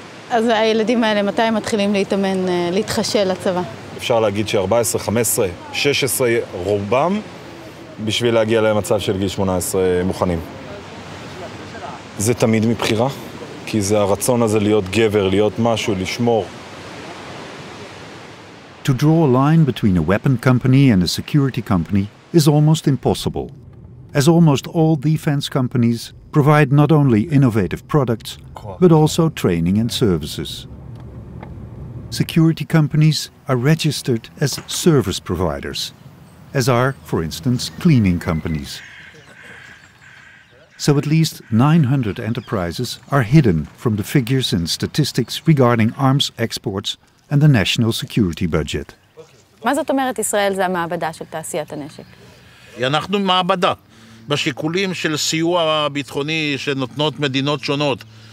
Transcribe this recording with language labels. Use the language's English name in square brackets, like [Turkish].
[Hebrew] אז הילדים האלה, מתי הם מתחילים להתאמן, להתחשל לצבא? אפשר להגיד ש-14, 15, 16 רובם, בשביל להגיע למצב של גיל 18 מוכנים. זה תמיד מבחירה, כי זה הרצון הזה להיות גבר, להיות משהו, לשמור. [English] To draw a line between a weapon company and a security company is almost impossible, as almost all defense companies provide not only innovative products, but also training and services. Security companies are registered as service providers, as are, for instance, cleaning companies. So at least 900 enterprises are hidden from the figures and statistics regarding arms exports and the national security budget. [Hebrew] מה זאת אומרת ישראל זה המעבדה של תעשיית הנשק? אנחנו מעבדה. בשיקולים של סיוע ביטחוני שנותנות מדינות שונות,